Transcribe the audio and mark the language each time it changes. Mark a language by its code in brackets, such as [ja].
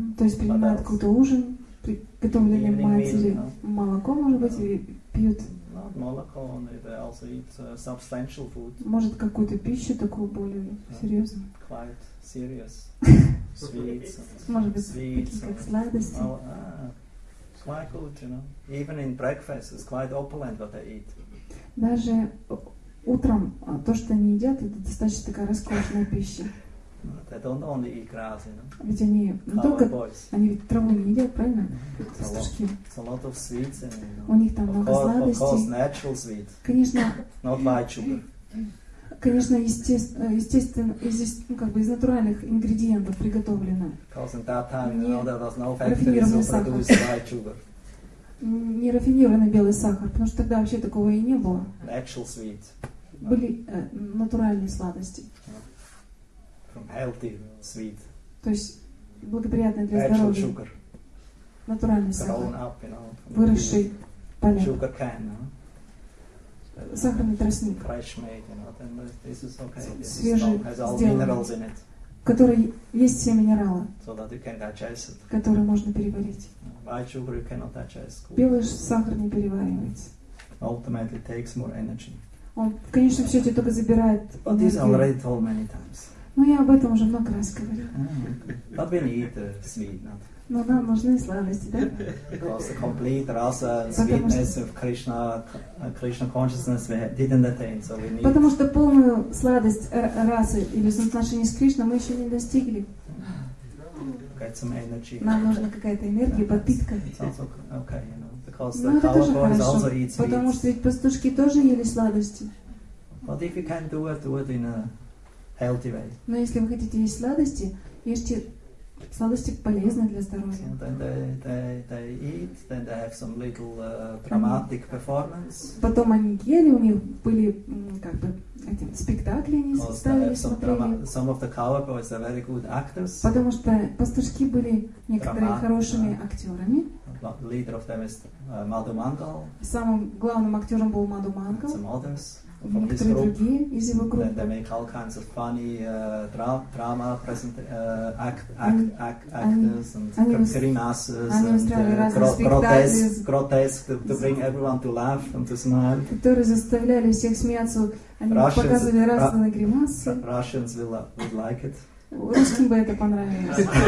[ru] То есть принимают какой-то ужин, приготовленный матери, молоко, может быть, или пьют. [en] Not [ru] молоко, [en] only they also eat substantial food. [ru] Может какую-то пищу такую более серьезную. [en] Quite serious. Sweets. [ru] Может быть, какие-то сладости. [en] Quite good, you know. Even in breakfast, it's quite opulent what they eat. [ru] Даже утром то, что они едят, это достаточно такая роскошная пища. [en] They don't only eat grass, you know. [ru] Ведь они не только boys. Они ведь траву не едят, правильно? Пастушки. [en] It's a lot of sweets, you know. [ru] У них там много сладостей. [en] Of course, natural sweet. [ru] Конечно. [en] Not white sugar. [ru] Конечно, естественно, из натуральных ингредиентов приготовлено. [en] Because in that time, you know, there was no factories to produce white sugar. [ru] Не рафинированный белый сахар, потому что тогда вообще такого и не было. [en] Natural sweet. [ru] Были натуральные сладости. [en] From healthy sweet. [ru] То есть благоприятно для здоровья. [en] Natural sugar. [ru] Натуральный сахар. [en] Grown up, you know. [ru] Выросший [en] полет. Sugar can, no? [ru] Сахарный тростник. [en] Fresh made, you know, then this is okay. [ru] Свежий, сделанный. Который есть все минералы. [en] So that you can digest it. [ru] Которые можно переварить. [en] White sugar you cannot digest. [ru] Белый сахар не переваривается. [en] Ultimately takes more energy. [ru] Он, конечно, все это только забирает. [en] But this already told many times. [ru] Ну, я об этом уже много раз говорил. [en] But we need the sweet, not. [ru] Но нам нужны сладости, да? [en] Because the complete rasa sweetness of Krishna, Krishna consciousness we didn't attain, so we need. [ru] Потому что полную сладость расы или соотношение с Кришной мы еще не достигли. [en] Some energy. [ru] Нам нужна какая-то энергия, подпитка. [en] Okay, you know, because the cows also eat sweets. [ru] Потому что ведь пастушки тоже ели сладости. [en] But if you can do it in a healthy way. [ru] Но если вы хотите есть сладости, ешьте сладости полезные для здоровья. [en] So then they eat, then they have some little dramatic performance. [ru] Потом они ели, у них были как бы. Эти спектакли они ставили, смотрели. [en] Some of the cowboys are very good actors. [ru] Потому что пастушки были некоторые хорошими актерами. [en] Leader of them is Madhu Mangal. [ru] Самым главным актером был Madhu Mangal. [en] Some others from his group. [ru] Некоторые другие из его группы. [en] They make all kinds of funny drama present actors and grimaces and grotesque to bring everyone to laugh and to smile. [ru] Которые заставляли всех смеяться. Они показывали разные гримасы. [en] Russians would like it. [ru] Русским бы это понравилось.